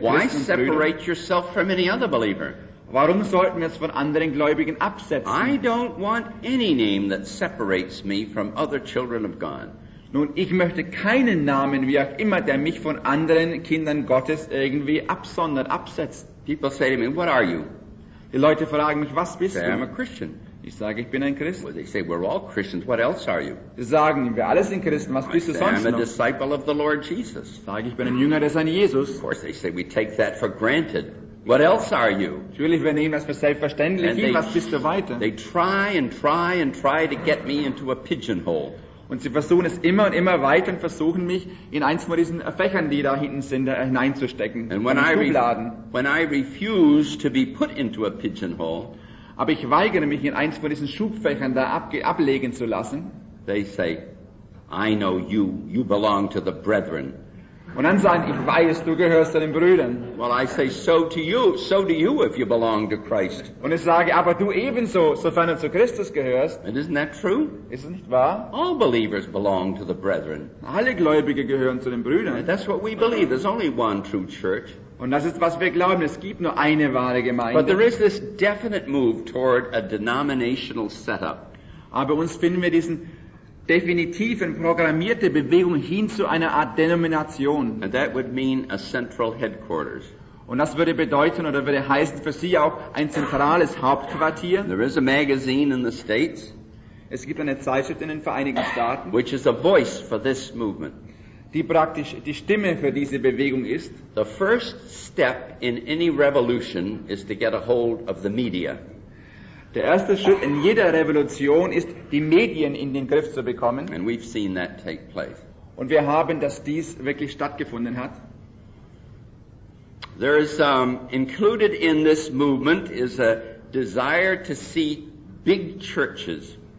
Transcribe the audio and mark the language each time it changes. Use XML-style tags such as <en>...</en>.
<en>Why separate yourself from any other believer?</en> <de>Warum sollten wir es von anderen Gläubigen absetzen?</de> <en>I don't want any name that separates me from other children of God.</en> <de>Nun, ich möchte keinen Namen, wie auch immer, der mich von anderen Kindern Gottes irgendwie absondert, absetzt.</de> <en>People say to me, what are you?</en> <de>Die Leute fragen mich, was bist du?</de> <en>I'm a Christian.</en> <de>Ich sage, ich bin ein Christ.</de> <en>Well, they say, we're all Christians. What else are you?</en> <de>Sie sagen, wir alle sind Christen. Was bist du sonst noch?</de> <en>I'm a disciple of the Lord Jesus.</en> <de>Ich sage, ich bin ein Jünger des Herrn Jesus.</de> <en>Of course, they say, we take that for granted. What else are you?</en> <de>Natürlich, wir nehmen das für selbstverständlich. Hey, was bist du weiter?</de> <en>They try and try and try to get me into a pigeonhole.</en> <de>Und sie versuchen es immer und immer weiter und versuchen mich in eins von diesen Fächern, die da hinten sind, hineinzustecken.</de> <en>And when I refuse to be put into a pigeonhole,</en> <de>aber ich weigere mich, in eins von diesen Schubfächern da ablegen zu lassen.</de> <en>They say, I know you. You belong to the brethren.</en> <de>Und dann sagen, ich weiß, du gehörst zu den Brüdern.</de> <en>Well, I say, so to you. So do you if you belong to Christ.</en> <de>Und ich sage, aber du ebenso, sofern du zu Christus gehörst.</de> <en>And isn't that true?</en> <de>Ist es nicht wahr?</de> <en>All believers belong to the brethren.</en> <de>Alle Gläubige gehören zu den Brüdern.</de> <en>And that's what we believe. There's only one true church.</en> <de>Und das ist, was wir glauben. Es gibt nur eine wahre Gemeinde.</de> <en>But there is this definite move toward a denominational setup.</en> <de>Aber uns finden wir diesen definitiven, programmierte Bewegung hin zu einer Art Denomination.</de> <en>And that would mean a central headquarters.</en> <de>Und das würde bedeuten oder würde heißen für Sie auch ein zentrales Hauptquartier.</de> <en>There is a magazine in the States.</en> <de>Es gibt eine Zeitschrift in den Vereinigten Staaten.</de> <en>Which is a voice for this movement.</en> <de>Die praktisch die Stimme für diese Bewegung ist.</de> <en>The first step in any revolution is to get a hold of the media.</en> <de>Der erste Schritt in jeder Revolution ist, die Medien in den Griff zu bekommen.</de> <en>And we've seen that take place.</en> <de>Und wir haben, dass dies wirklich stattgefunden hat.</de> <en>There is included in this movement is a desire to see big churches.</en>